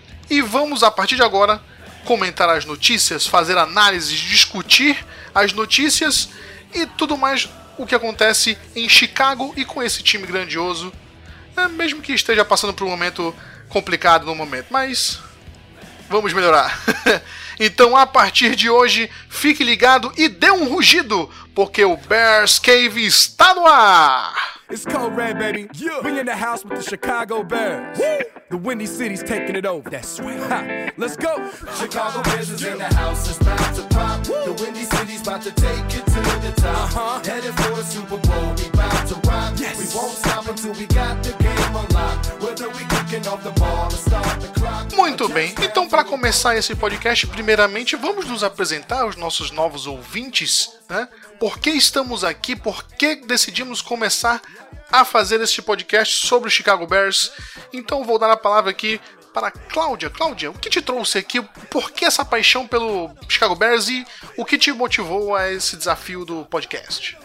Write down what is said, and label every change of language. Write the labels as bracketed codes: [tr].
[pt] E vamos, a partir de agora, comentar as notícias, fazer análises, discutir as notícias e tudo mais o que acontece em Chicago e com esse time grandioso, né? Mesmo que esteja passando por um momento complicado no momento, mas vamos melhorar. Então, a partir de hoje, fique ligado e dê um rugido, porque o Bears Cave está no ar! [en] It's cold red, baby. Yeah. We in the house with the Chicago Bears. Woo. The Windy City's taking it over. That's right. Ha. Let's go! Chicago Bears is in the house, it's about to pop. Woo. The Windy City's about to take it to the top. Uh-huh. Headed for the Super Bowl, we about to rock. Yes. We won't stop until we got the game unlocked. Whether we kicking off the ball or start the clock. [pt] Muito bem, então para começar esse podcast, primeiramente vamos nos apresentar aos nossos novos ouvintes, né? Por que estamos aqui, por que decidimos começar a fazer este podcast sobre o Chicago Bears? Então vou dar a palavra aqui para a Cláudia. Cláudia, o que te trouxe aqui, por que essa paixão pelo Chicago Bears e o que te motivou a esse desafio do podcast?